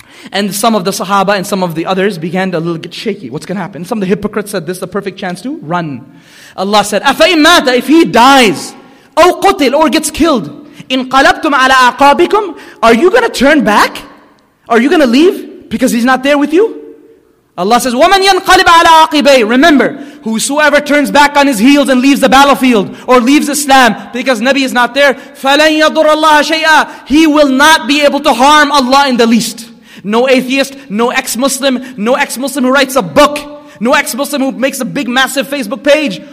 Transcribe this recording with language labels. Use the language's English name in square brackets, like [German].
[English] And some of the Sahaba and some of the others began to a little get shaky. What's going to happen? Some of the hypocrites said, "This is the perfect chance to run." Allah said, [Arabic] "أَفَإِن مَاتَ. [English] If he dies, [Arabic] أَوْ قُتِلْ. [English] Or gets killed, [Arabic] إِنْقَلَبْتُمْ عَلَىٰ أَعْقَابِكُمْ. [English] Are you going to turn back? Are you going to leave because he's not there with you? Allah says, [Arabic] وَمَنْ يَنْقَلِبْ عَلَىٰ عَقِبَيْهِ. [English] Remember, whosoever turns back on his heels and leaves the battlefield or leaves Islam because Nabi is not there, [Arabic] فَلَنْ يَضُرَ اللَّهَ شَيْئًا. [English] He will not be able to harm Allah in the least. No atheist, no ex-Muslim, no ex-Muslim who writes a book, no ex-Muslim who makes a big massive Facebook page.